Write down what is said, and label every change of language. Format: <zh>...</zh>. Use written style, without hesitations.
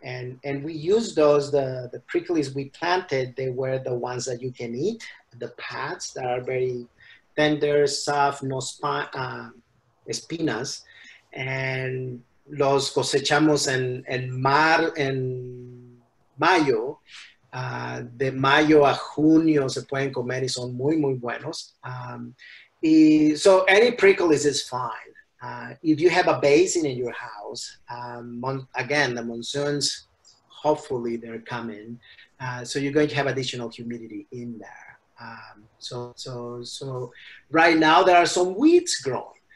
<en>And we used those, the pricklies we planted, they were the ones that you can eat, the pads that are very tender, soft, no spot,</en> <es>espinas,</es> <en>and</en> <es>los cosechamos en mayo. De mayo a junio se pueden comer y son muy, muy buenos.</es> <en>So any prickles is fine. If you have a basin in your house, again, the monsoons, hopefully they're coming. So you're going to have additional humidity in there. So right now there are some weeds growing.</en>